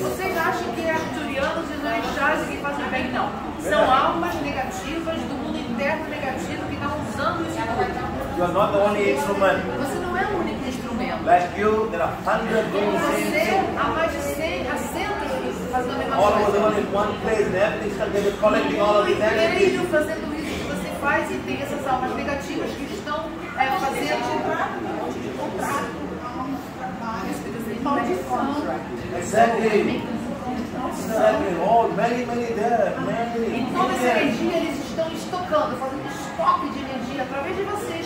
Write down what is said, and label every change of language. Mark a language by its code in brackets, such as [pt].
[pt] Vocês acham que Arcturianos e Orixás que fazem bem? Não. São almas negativas do mundo interno negativo que estão usando esse mundo. [en] You are not the only instrument. [pt] Você não é o único instrumento. [en] Like you, there are hundreds doing the same thing. [pt] Há mais de 100, há centros fazendo a mesma coisa. [en] All of them are in one place, and everything started collecting all of these energies. [pt] E eles estão fazendo isso que você faz e tem essas almas negativas que estão fazendo. Um contrato. [en] Exactly. All, many there. Many. [pt] E toda essa energia eles estão estocando, fazendo estoque de energia através de você.